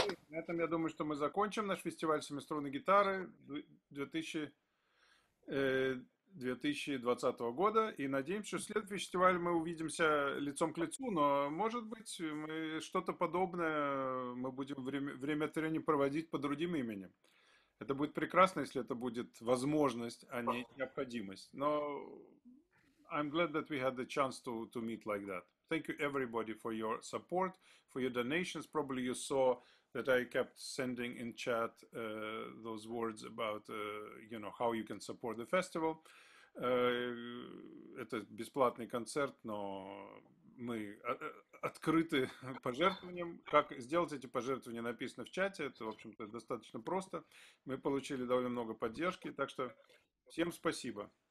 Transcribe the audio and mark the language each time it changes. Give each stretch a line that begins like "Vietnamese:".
Russian: На этом, я думаю, что мы закончим наш фестиваль семиструнной гитары 2020 года. И надеемся, что в следующий фестиваль мы увидимся лицом к лицу. Но, может быть, мы что-то подобное мы будем время от времени проводить под другим именем. Это будет прекрасно, если это будет возможность, а не необходимость.
English: Но I'm glad that we had the chance to meet like that. Thank you, everybody, for your support, for your donations. Probably you saw that I kept sending in chat those words about, you know, how you can support the festival. It
Russian: это бесплатный концерт, но мы открыты пожертвованиям. Как сделать эти пожертвования, написано в чате. Это, в общем-то, достаточно просто. Мы получили довольно много поддержки, так что всем спасибо.